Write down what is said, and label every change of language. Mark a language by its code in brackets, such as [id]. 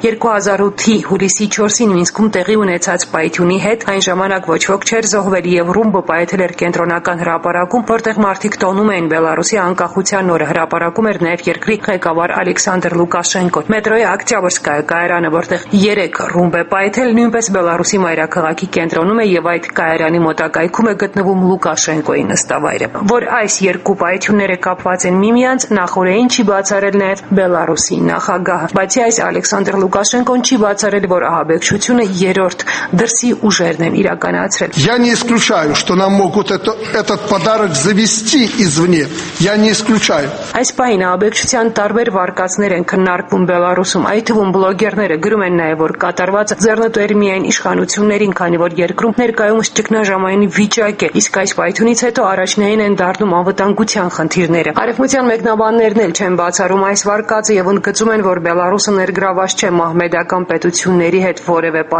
[hy] 2008-ի հուլիսի 4-ին Մինսկում տեղի ունեցած պայթյունի հետ, այն ժամանակ ոչ ոք չէր զոհվել եւ ռումբը պայթել էր կենտրոնական հրապարակում, որտեղ մարդիկ տոնում էին Բելարուսի անկախության օրը։ Հրապարակում էր նաեւ երկրի ղեկավար Ալեքսանդր Լուկաշենկոն։ Մետրոյի Օկտյոբրսկայա կայարանը, որտեղ 3 ռումբ է պայթել, նույնպես Բելարուսի մայրաքաղաքի կենտրոնում է եւ այդ կայարանի մոտակայքում է գտնվում Լուկաշենկոյի նստավայրը։ Որ այս երկու պայթյունները կապված են միմյանց, նախորդին չի բացառել նաեւ Բելարուսի նախագահը։ Բացի այս, Ալեքսանդր Լուկաշենկոն չի բացառել, որ ահաբեկչությունը երրորդ դրսի ուժերն են իրականացրել։ [ru] Я не исключаю, что нам могут этот подарок завести извне. Я не исключаю. [hy] Այս պահին ահաբեկչության տարբեր վարկածներ են քննարկվում Բելարուսում, այդ թվում բլոգերները գրում են նաև, որ կատարված ձեռնտուեր միայն իշխանություններին, քանի որ երկրում ներկայումս ճգնաժամային վիճակ է, իսկ այս պայթյունից հետո առաջնային են դառնում անվտանգության խնդիրները։ Արևմտյան մեկնաբաններն էլ չեն բացառում այս վարկածը եւ ընդգծում են, որ Բելարուսը ներգրավված չէ մահմեդական պետությունների հետ որևէ պատ